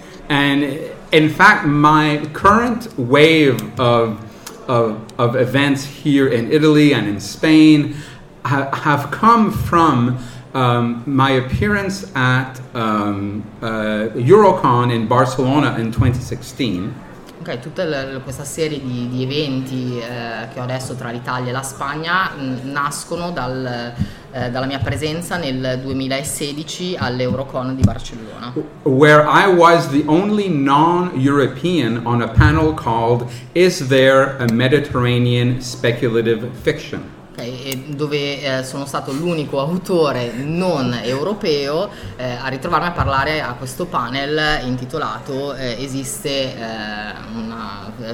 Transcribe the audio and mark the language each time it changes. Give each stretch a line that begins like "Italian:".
English: And in fact, my current wave of events here in Italy and in Spain have come from my appearance at Eurocon in Barcelona in 2016.
Italian: Ok, tutta questa serie di eventi che ho adesso tra l'Italia e la Spagna nascono dalla mia presenza nel 2016 all'Eurocon di Barcellona,
English: where I was the only non-European on a panel called "Is There a Mediterranean Speculative Fiction?"
Italian: Dove sono stato l'unico autore non europeo a ritrovarmi a parlare a questo panel intitolato "Esiste una